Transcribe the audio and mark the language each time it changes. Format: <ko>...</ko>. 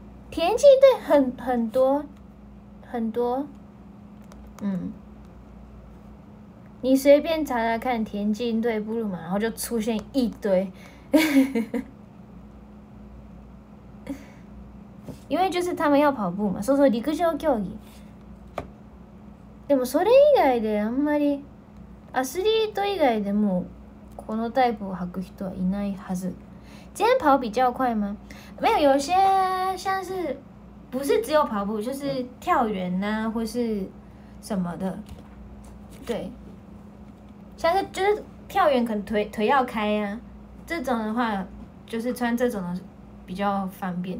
<zh>田径队很多，嗯。你随便查查看田径队布鲁马，然后就出现一堆，因为就是他们要跑步嘛，所以说陸上競技。</zh> <ja>でもそれ以外であんまりアスリート以外でもこのタイプを履く人はいないはず。</ja> <zh>今跑比较快吗？没有，有些像是不是只有跑步，就是跳远呐、啊，或是什么的，对。像是就是跳远可能腿要开啊，这种的话就是穿这种的比较方便。</zh>